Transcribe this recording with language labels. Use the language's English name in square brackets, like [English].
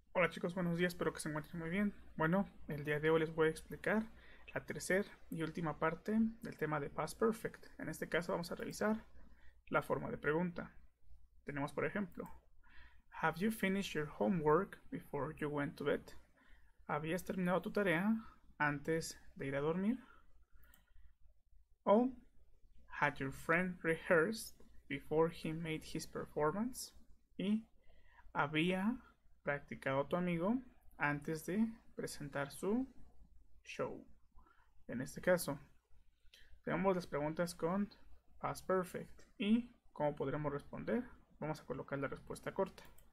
[Spanish] chicos, buenos días, espero que se encuentren muy bien. Bueno, el día de hoy les voy a explicar la tercera y última parte del tema de Past Perfect. En este caso vamos a revisar la forma de pregunta. Tenemos, por ejemplo, [English] Have you finished your homework before you went to bed? [Spanish] ¿Habías terminado tu tarea antes de ir a dormir? [English] O Had your friend rehearsed before he made his performance? [Spanish] Y ¿había practicado tu amigo antes de presentar su show? En este caso, tenemos las preguntas con past perfect. ¿Y cómo podremos responder? Vamos a colocar la respuesta corta.